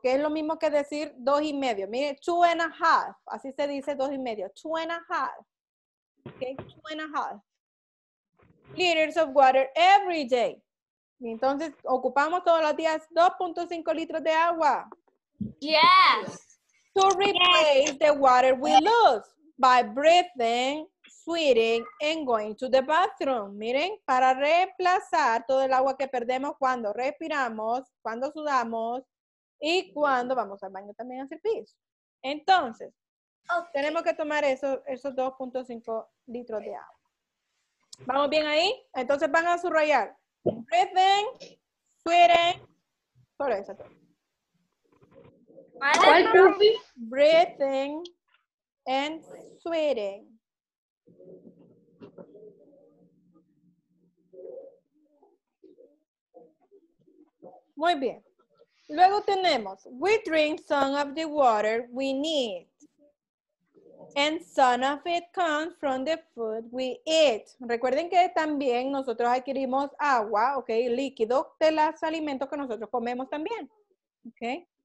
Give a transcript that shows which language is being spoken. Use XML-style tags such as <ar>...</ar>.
<es>que es lo mismo que decir 2.5. Miren, 2.5, así se dice 2.5.</es> <en>2.5, okay, 2.5 liters of water every day.</en> <es>Entonces, ocupamos todos los días 2.5 litros de agua.</es> <en>Yes. To replace the water we lose by breathing, sweating, and going to the bathroom.</en> <es>Miren, para reemplazar todo el agua que perdemos cuando respiramos, cuando sudamos, y cuando vamos al baño también a hacer pis. Entonces, tenemos que tomar esos 2.5 litros de agua. ¿Vamos bien ahí? Entonces, van a subrayar.</es> <en>Breathing, sweating,</en> <es>solo eso. ¿Cuál, profe?</es> <en>Breathing and sweating.</en> <es>Muy bien. Luego tenemos,</es> <en>we drink some of the water we need. And some of it comes from the food we eat.</en> <es>Recuerden que también nosotros adquirimos agua, ok, líquido de los alimentos que nosotros comemos también, ok.</es>